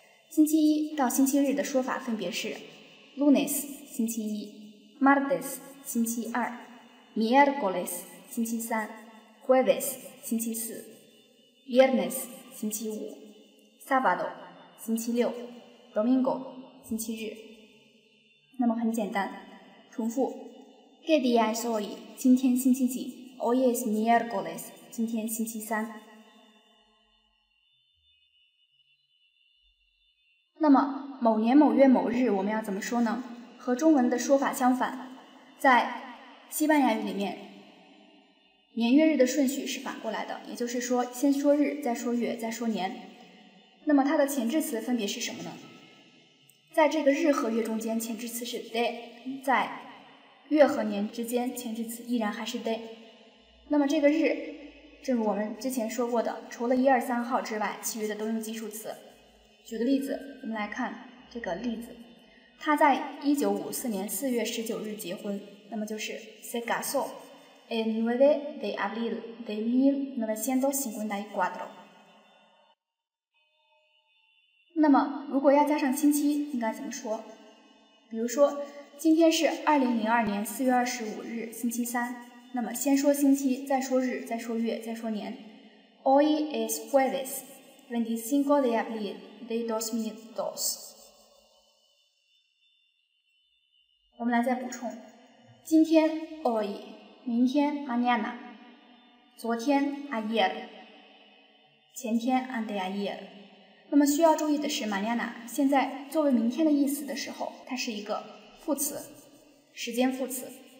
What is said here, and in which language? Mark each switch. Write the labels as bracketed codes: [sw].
[zh] 星期一到星期日的说法分别是 Lunes 星期一， Martes 星期二， Miércoles 星期三， Jueves 星期四， Viernes星期五， sábado 星期六， domingo 星期日。那么很简单，重复 [es] ¿Qué día es hoy？ [zh] 今天星期几？ [es] Hoy es miércoles， [zh] 今天星期三。那么某年某月某日我们要怎么说呢？和中文的说法相反，在西班牙语里面年月日的顺序是反过来的，也就是说先说日再说月再说年。那么它的前置词分别是什么呢？在这个日和月中间前置词是 day， 在月和年之间前置词依然还是 day。那么这个日正如我们之前说过的，除了一二三号之外，其余的都用基数词。举个例子，我们来看这个例子，他在1954年4月19日结婚，那么就是 [es] se casó el 9 de abril de 1954。 [zh] 那么如果要加上星期应该怎么说？比如说今天是2002年4月25日，星期三。那么先说星期，再说日，再说月，再说年。 [es] Hoy es jueves, 25 de abril de 2002. [zh] 我们来再补充。今天 hoy, 明天 mañana, 昨天 ayer, 前天 anteayer。那么需要注意的是 mañana, 现在作为明天的意思的时候，它是一个副词，时间副词。